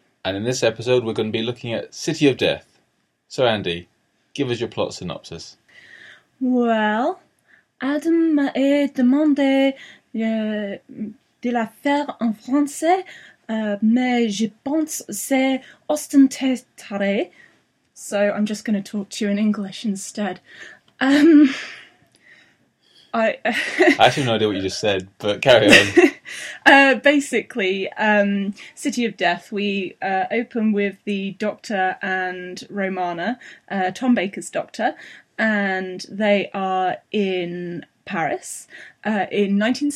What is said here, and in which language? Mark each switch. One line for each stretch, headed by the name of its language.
English: And in this episode, we're going to be looking at City of Death. So Andy, give us your plot synopsis.
French: Well, Adam m'a demandé de la faire en français, mais je pense c'est ostentatoire.
English: So I'm just going to talk to you in English instead. I have no idea what you just said, but carry on. Basically, City of Death, we open with the Doctor and Romana, Tom Baker's Doctor, and they are in Paris in 1979.